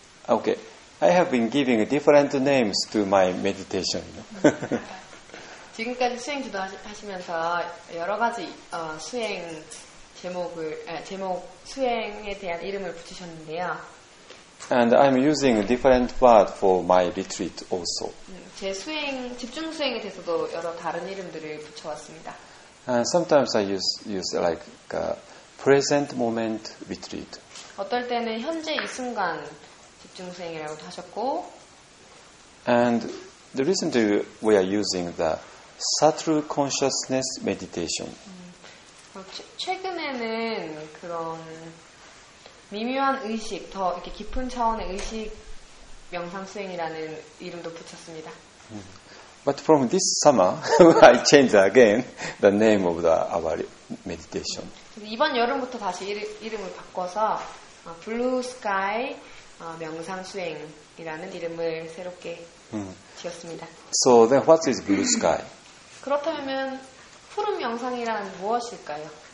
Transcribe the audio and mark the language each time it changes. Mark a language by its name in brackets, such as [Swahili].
[English] Okay, I have been giving different names to my meditation. [Korean] 지금까지 수행 지도 하시면서 여러 가지 수행. 제목 수행에 대한 이름을 붙이셨는데요. [English] And I'm using a different word for my retreat also. [Korean] 제 수행 집중 수행에 대해서도 여러 다른 이름들을 붙여왔습니다. [English] And sometimes I use like a present moment retreat. [Korean] 어떨 때는 현재 이 순간 집중 수행이라고도 하셨고. [English] And the reason that we are using the subtle consciousness meditation. [Korean] 최근에는 그런 미묘한 의식, 더 이렇게 깊은 차원의 의식 명상 수행이라는 이름도 붙였습니다. [English] But from this summer, I changed again the name of our meditation. [Korean] 이번 여름부터 다시 이름을 바꿔서 Blue Sky 명상 수행이라는 이름을 새롭게 지었습니다. [English] So then what is Blue Sky? [Korean] 그렇다면 푸른 명상이란 무엇일까요?